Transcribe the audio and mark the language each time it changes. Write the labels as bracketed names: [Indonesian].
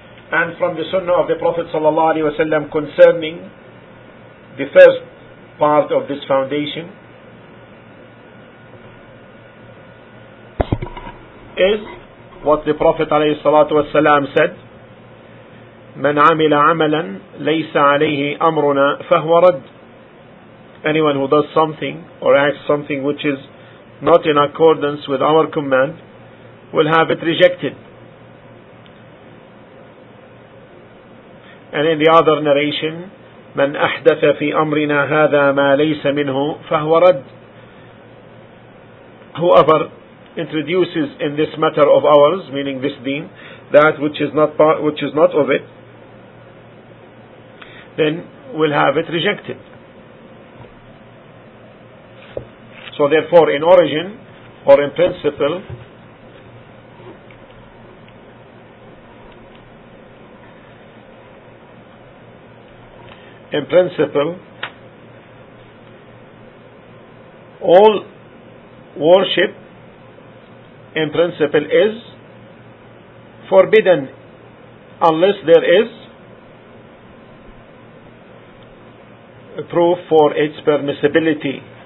[English] And from the sunnah of the Prophet sallallahu alaihi wasallam concerning the first part of this foundation is what the Prophet alayhi salatu wasallam said, [Arabic] من عمل عملا ليس عليه أمرنا فهو رد. [English] Anyone who does something or acts something which is not in accordance with our command will have it rejected. And in the other narration, [Arabic] من أحدث في أمرنا هذا ما ليس منه فهو رد. [English] Whoever introduces in this matter of ours, meaning this deen, that which is not of it, then will have it rejected. So therefore, in origin or in principle, in principle, all worship in principle is forbidden unless there is proof for its permissibility.